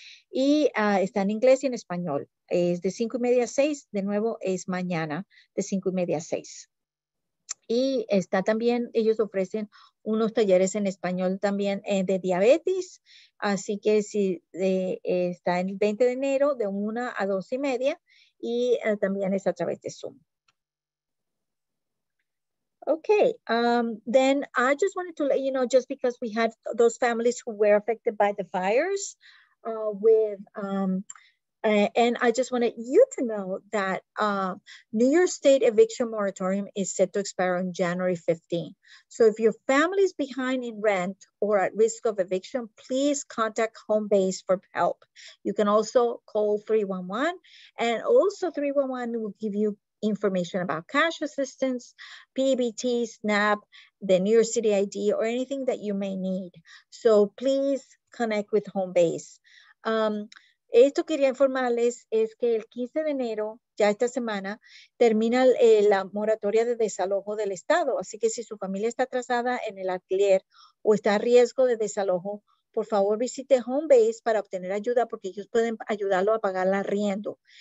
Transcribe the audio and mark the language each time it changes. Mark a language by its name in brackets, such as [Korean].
[Spanish] Y está en inglés y en español. Es de 5:30 a 6:00, de nuevo es mañana de 5:30 a 6:00. Y está también, ellos ofrecen unos talleres en español también de diabetes. Así que si está en el 20 de enero de 1 a 2:30 y también es a través de Zoom. [English] Okay, then I just wanted to let you know, just because we had those families who were affected by the fires, and I just wanted you to know that New York State eviction moratorium is set to expire on January 15. So if your family is behind in rent or at risk of eviction, please contact home base for help. You can also call 311, and also 311 will give you information about cash assistance, PBT, SNAP, the New York City ID, or anything that you may need. So please connect with home base. [Spanish] Esto quería informarles es que el 15 de enero, ya esta semana, termina la moratoria de desalojo del estado. Así que si su familia está atrasada en el alquiler o está a riesgo de desalojo, por favor visite Homebase para obtener ayuda porque ellos pueden ayudarlo a pagar la arriendo.